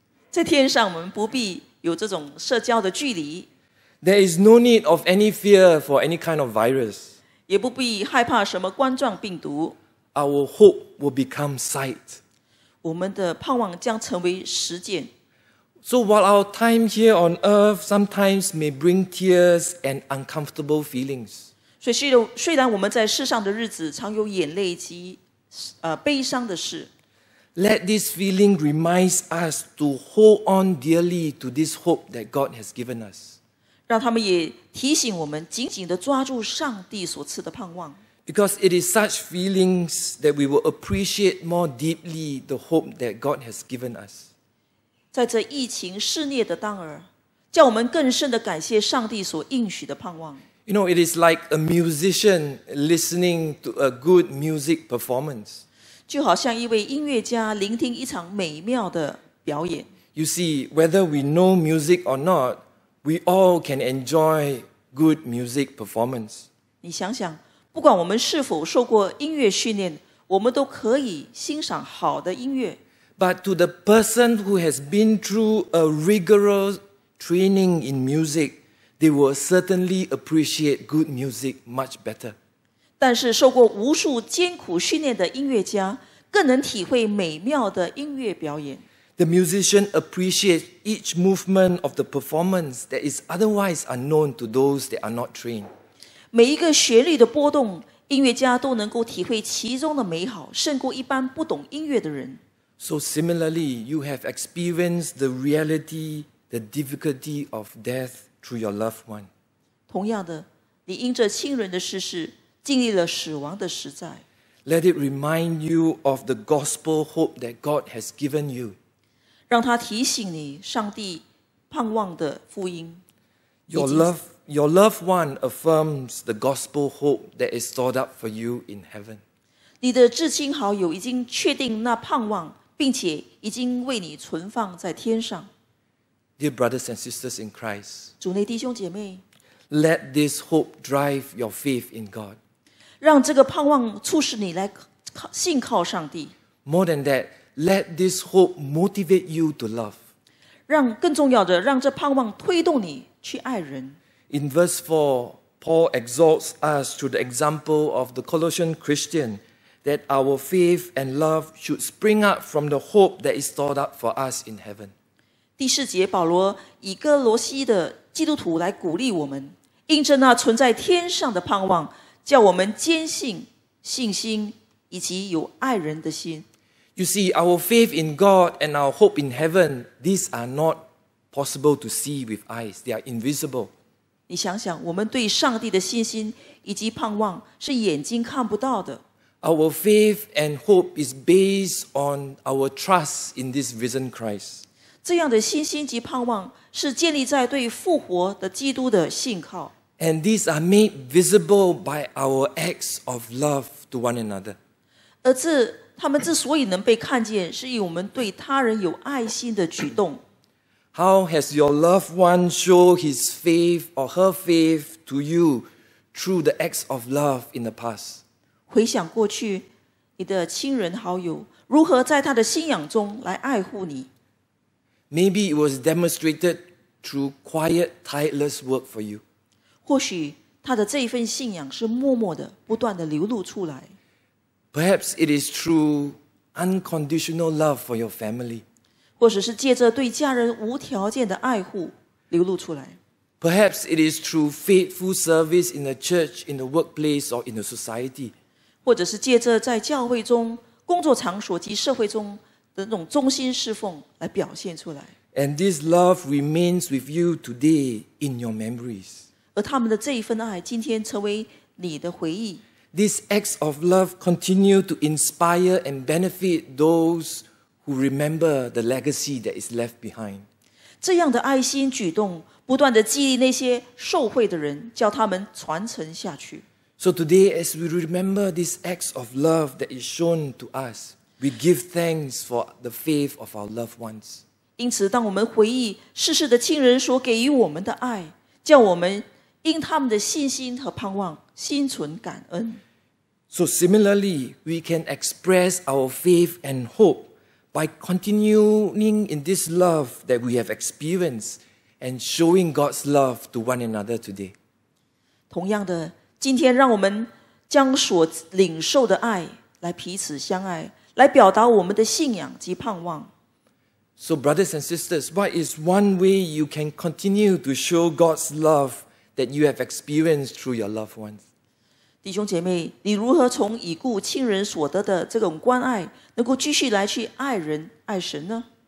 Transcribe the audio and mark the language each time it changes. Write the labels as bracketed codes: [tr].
[zh] 在天上，我们不必有这种社交的距离。 [en] There is no need of any fear for any kind of virus. [zh] 也不必害怕什么冠状病毒。 [en] Our hope will become sight. [zh] 我们的盼望将成为实践。 [en] So while our time here on earth sometimes may bring tears and uncomfortable feelings. [zh] 所以虽然我们在世上的日子常有眼泪及悲伤的事。 [en] Let this feeling remind us to hold on dearly to this hope that God has given us. [zh] 让他们也提醒我们紧紧地抓住上帝所赐的盼望。 [en] Because it is such feelings that we will appreciate more deeply the hope that God has given us. [zh] 在这疫情肆虐的当儿，叫我们更深地感谢上帝所应许的盼望。 [en] You know, it is like a musician listening to a good music performance. [zh] 就好像一位音乐家聆听一场美妙的表演。 [en] You see, whether we know music or not, we all can enjoy good music performance. [zh] 你想想，不管我们是否受过音乐训练，我们都可以欣赏好的音乐。 [en] But to the person who has been through a rigorous training in music,They will certainly appreciate good music much better. [zh] 但是受过无数艰苦训练的音乐家更能体会美妙的音乐表演。 [en] The musician appreciates each movement of the performance that is otherwise unknown to those that are not trained. [zh] 每一个旋律的波动，音乐家都能够体会其中的美好，胜过一般不懂音乐的人。 [en] So similarly, you have experienced the reality, the difficulty of death. Through your loved one. [zh] 同样的，你因着亲人的逝世，经历了死亡的实在。 [en] Let it remind you of the gospel hope that God has given you. [zh] 让他提醒你上帝盼望的福音。 [en] Your love, Your loved one affirms the gospel hope that is stored up for you in heaven. [zh] 你的至亲好友已经确定那盼望，并且已经为你存放在天上。 [en] Dear brothers and sisters in Christ, [zh] 主内弟兄姐妹， [en] let this hope drive your faith in God. [zh] 让这个盼望促使你来信靠上帝。 [en] More than that, let this hope motivate you to love. [zh] 让更重要的，让这盼望推动你去爱人。 [en] In verse 4, Paul exhorts us through the example of the Colossian Christian that our faith and love should spring up from the hope that is stored up for us in heaven. [zh] 第四节，保罗以哥罗西的基督徒来鼓励我们，印证那存在天上的盼望，叫我们坚信信心以及有爱人的心。 [en] You see, our faith in God and our hope in heaven, these are not possible to see with eyes. They are invisible. [zh] 你想想，我们对上帝的信心以及盼望是眼睛看不到的。 [en] Our faith and hope is based on our trust in this risen Christ. [zh] 这样的信心及盼望是建立在对复活的基督的信靠。 [en] And these are made visible by our acts of love to one another. [zh] 而这他们之所以能被看见，是以我们对他人有爱心的举动。 [en] How has your loved one shown his faith or her faith to you through the acts of love in the past? [zh] 回想过去，你的亲人好友如何在他的信仰中来爱护你？ [en] Maybe it was demonstrated through quiet, tireless work for you. [zh] 或许他的这一份信仰是默默的、不断的流露出来。 [en] Perhaps it is through unconditional love for your family. [zh] 或者是借着对家人无条件的爱护流露出来。 [en] Perhaps it is through faithful service in the church, in the workplace, or in the society. [zh] 或者是借着在教会中、工作场所及社会中的那种忠心侍奉来表现出来。 [en] And this love remains with you today in your memories. [zh] 而他们的这一份爱今天成为你的回忆。 [en] These acts of love continue to inspire and benefit those. Who remember the legacy that is left behind. [zh] 这样的爱心举动不断地激励那些受惠的人，叫他们传承下去。 [en] So today, as we remember these acts of love that is shown to us, we give thanks for the faith of our loved ones. [zh] 因此，当我们回忆逝世的亲人所给予我们的爱，叫我们因他们的信心和盼望心存感恩。 [en] So similarly, we can express our faith and hope. By continuing in this love that we have experienced and showing God's love to one another today. [zh] 同样的，今天让我们将所领受的爱来彼此相爱，来表达我们的信仰及盼望。 [en] So brothers and sisters, what is one way you can continue to show God's love that you have experienced through your loved ones? [zh] 弟兄姐妹，你如何从已故亲人所得的这种关爱，能够继续来去爱人、爱神呢？